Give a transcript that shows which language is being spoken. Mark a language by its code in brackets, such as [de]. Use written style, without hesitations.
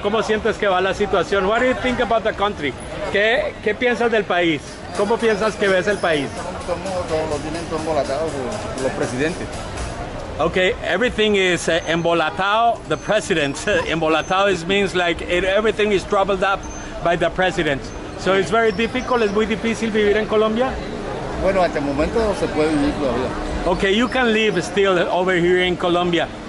[es] ¿Cómo sientes que va la situación? [en] What do you think about the country? [es] ¿Qué piensas del país? ¿Cómo piensas que ves el país? Todo tienen todo embolatado, los presidentes. [en] Okay, everything is embolatado, the president. Embolatado means like everything is troubled up by the president. So it's very difficult, [es] es muy difícil vivir en Colombia? Bueno, hasta el momento se puede vivir todavía. [en] Okay, you can live still over here in Colombia.